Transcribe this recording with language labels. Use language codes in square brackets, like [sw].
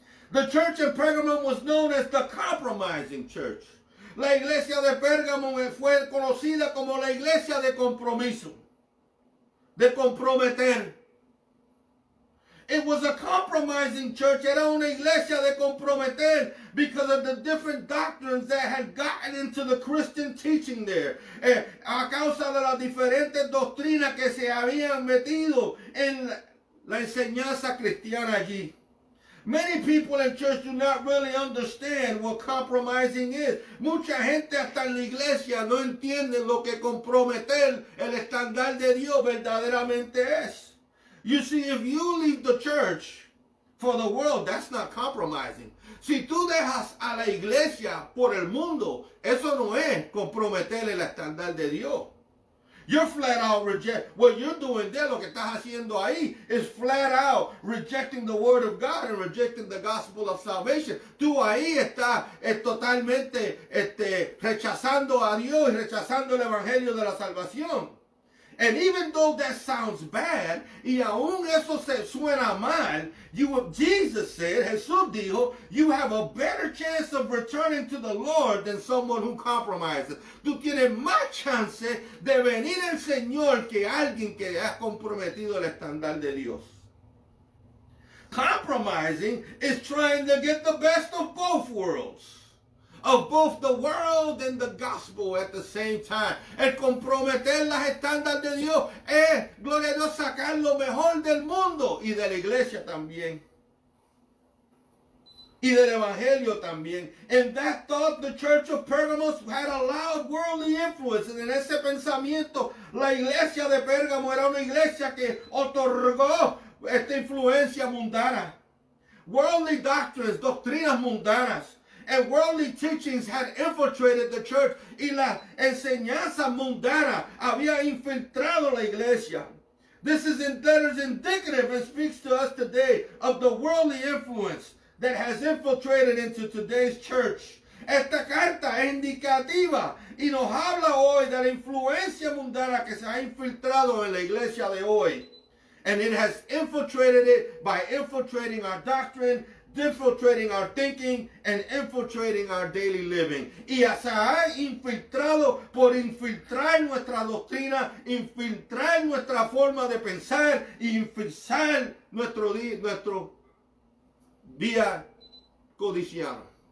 [en] The church in Pergamum was known as the compromising church. [es] La iglesia de Pérgamo fue conocida como la iglesia de compromiso, de comprometer. [en] It was a compromising church. [es] Era una iglesia de comprometer [en] because of the different doctrines that had gotten into the Christian teaching there. [es] A causa de las diferentes doctrinas que se habían metido en la enseñanza cristiana allí. [en] Many people in church do not really understand what compromising is. [es] Mucha gente hasta en la iglesia no entiende lo que comprometer el estándar de Dios verdaderamente es. [en] You see, if you leave the church for the world, that's not compromising. [es] Si tú dejas a la iglesia por el mundo, eso no es comprometer el estándar de Dios. [en] You're flat out reject. What you're doing there, [es] lo que estás haciendo ahí, [en] is flat out rejecting the word of God and rejecting the gospel of salvation. [es] Tú ahí estás totalmente rechazando a Dios y rechazando el evangelio de la salvación. [en] And even though that sounds bad, [es] y aún eso se suena mal, Jesús dijo, [en] you have a better chance of returning to the Lord than someone who compromises. [es] Tú tienes más chance de venir al Señor que alguien que ha comprometido el estándar de Dios. [en] Compromising is trying to get the best of both worlds. of both the world and the gospel at the same time. [es] El comprometer las estándares de Dios es, gloria a Dios, sacar lo mejor del mundo y de la iglesia también. Y del evangelio también. [en] And that thought the church of Pergamos had a loud worldly influence. [es] And en ese pensamiento, la iglesia de Pérgamo era una iglesia que otorgó esta influencia mundana. [en] Worldly doctrines, [es] doctrinas mundanas, [en] and worldly teachings had infiltrated the church. [es] Y la enseñanza mundana había infiltrado la iglesia. [en] This is indicative and speaks to us today of the worldly influence that has infiltrated into today's church. [es] Esta carta es indicativa y nos habla hoy de la influencia mundana que se ha infiltrado en la iglesia de hoy. [en] And it has infiltrated it by infiltrating our doctrine, infiltrating our thinking, and infiltrating our daily living. [es] Y se ha infiltrado por infiltrar nuestra doctrina, infiltrar nuestra forma de pensar, y infiltrar nuestro día codiciado.